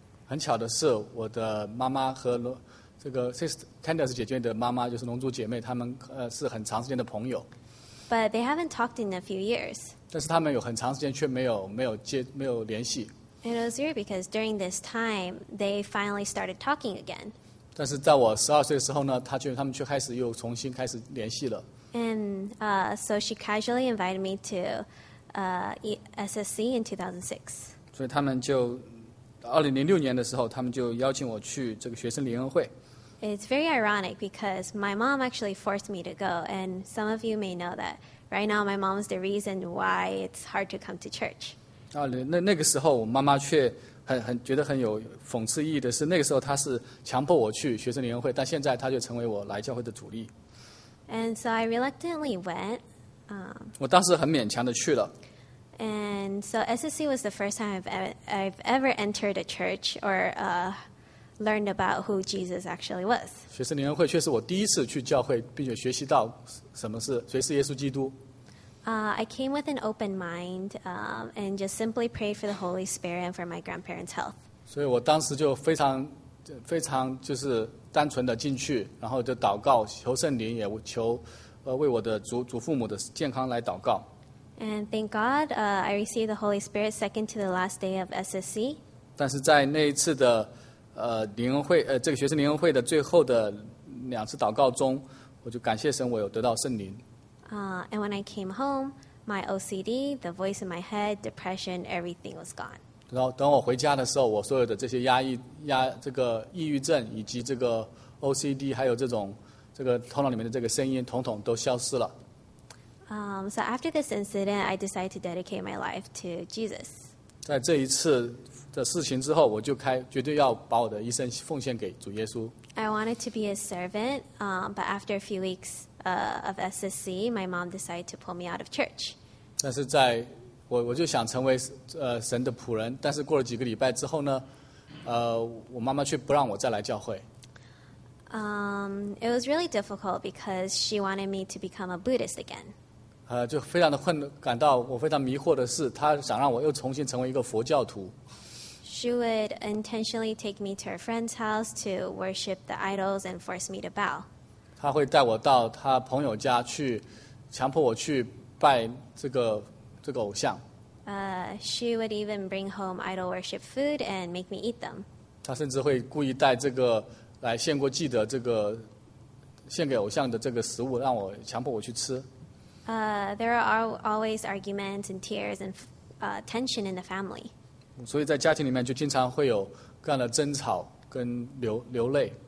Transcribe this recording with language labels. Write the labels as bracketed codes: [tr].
[zh] 很巧的是我的妈妈和这个 Candace 姐姐的妈妈就是龙珠姐妹，她们是很长时间的朋友。 [en] But they haven't talked in a few years. [zh] 但是她们有很长时间却没有联系。 [en] It was weird because during this time, they finally started talking again. [zh] 但是在我十二岁的时候呢，他们却开始又重新开始联系了。 [en] And so she casually invited me to SSC in 2006. [zh] 所以他们就2006年的时候，他们就邀请我去这个学生联谊会。 [en] It's very ironic because my mom actually forced me to go, and some of you may know that. Right now, my mom is the reason why it's hard to come to church. [zh] 那个时候，我妈妈却很觉得很有讽刺意义的是，那个时候她是强迫我去学生联谊会，但现在她就成为我来教会的主力。 [en] And so I reluctantly went. [zh] 我当时很勉强的去了。 [en] And so SSC was the first time I've ever entered a church or learned about who Jesus actually was. [zh] 学生联谊会却是我第一次去教会，并且学习到什么是谁是耶稣基督。 [en] I came with an open mind, and just simply prayed for the Holy Spirit and for my grandparents' health. [zh] 所以我当时就非常就是单纯的进去，然后就祷告，求圣灵，也求为我的祖父母的健康来祷告。 [en] And thank God, I received the Holy Spirit second to the last day of SSC. [zh] 但是在那一次的灵恩会这个学生灵恩会的最后的两次祷告中，我就感谢神，我有得到圣灵。 [en] And when I came home, my OCD, the voice in my head, depression, everything was gone. [zh] 然后等我回家的时候，我所有的这些抑郁症以及这个 OCD， 还有这个头脑里面的这个声音，统统都消失了。 [en] So after this incident, I decided to dedicate my life to Jesus. [zh] 在这一次的事情之后，我就决定要把我的一生奉献给主耶稣。 [en] I wanted to be a servant, but after a few weeks. Of SSC, my mom decided to pull me out of church. [zh] 但是在我就想成为神的仆人，但是过了几个礼拜之后呢，我妈妈却不让我再来教会。 [en] It was really difficult because she wanted me to become a Buddhist again. [zh] 就非常的困，感到我非常迷惑的是，她想让我又重新成为一个佛教徒。 [en] She would intentionally take me to her friend's house to worship the idols and force me to bow. [zh] 他会带我到他朋友家去，强迫我去拜这个偶像。 [en] She would even bring home idol worship food and make me eat them. [zh] 他甚至会故意带这个来献过祭的这个献给偶像的这个食物，让我强迫我去吃。 [en] There are always arguments and tears and tension in the family. [zh] 所以在家庭里面就经常会有各样的争吵跟流泪。